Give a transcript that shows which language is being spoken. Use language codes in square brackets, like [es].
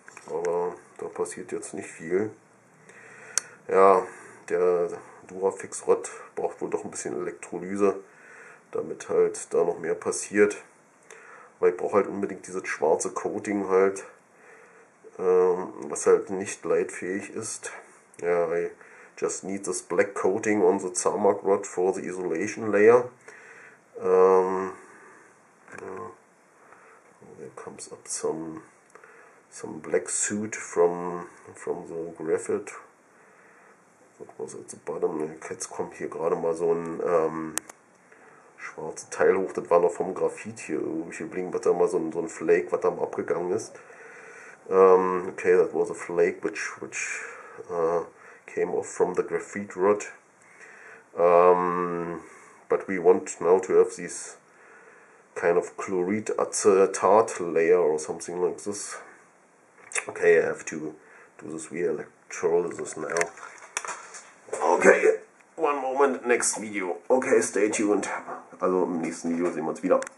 [de] Aber da passiert jetzt nicht viel. Ja, der Durafix-Rod braucht wohl doch ein bisschen Elektrolyse, damit halt da noch mehr passiert. Weil ich brauche halt unbedingt dieses schwarze Coating halt, was halt nicht leitfähig ist. [en] Ja, I just need this black coating on the Zamak rod for the isolation layer. There comes up some black suit from the graphite. What was at the bottom? [de] Jetzt kommt hier gerade mal so ein schwarzes Teil hoch, das war noch vom Graphit hier irgendwie blinken, was da mal so ein Flake, was da mal abgegangen ist. [en] Okay, that was a flake which came off from the graphite rod. But we want now to have this kind of chloride acetate layer or something like this. Okay, I have to do this via electrolysis now. Okay, one moment, next video. Okay, stay tuned. [de] Also im nächsten Video sehen wir uns wieder.